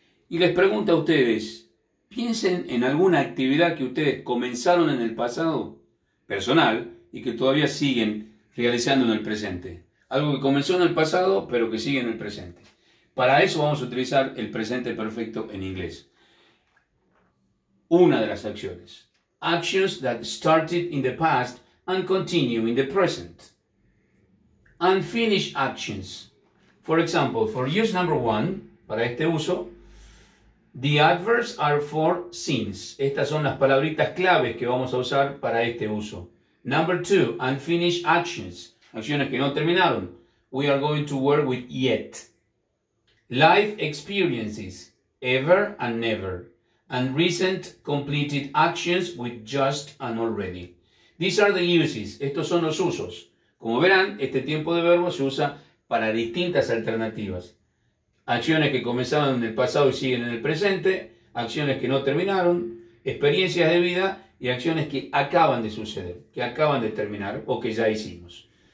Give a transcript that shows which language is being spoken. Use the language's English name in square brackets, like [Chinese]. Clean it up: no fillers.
[Spanish] Y les pregunto a ustedes, piensen en alguna actividad que ustedes comenzaron en el pasado personal y que todavía siguen realizando en el presente. Algo que comenzó en el pasado pero que sigue en el presente. Para eso vamos a utilizar el presente perfecto en inglés. Una de las acciones. [English] Actions that started in the past and continue in the present. Unfinished actions. For example, for use number one, [Spanish] para este uso, [English] the adverbs are for since. [Spanish] Estas son las palabritas claves que vamos a usar para este uso. [English] Number two, unfinished actions. [Spanish] Acciones que no terminaron. [English] We are going to work with yet. Life experiences, ever and never, and recent completed actions with just and already. These are the uses. [Spanish] Estos son los usos. Como verán, este tiempo de verbo se usa para distintas alternativas. Acciones que comenzaron en el pasado y siguen en el presente, acciones que no terminaron, experiencias de vida y acciones que acaban de suceder, que acaban de terminar o que ya hicimos.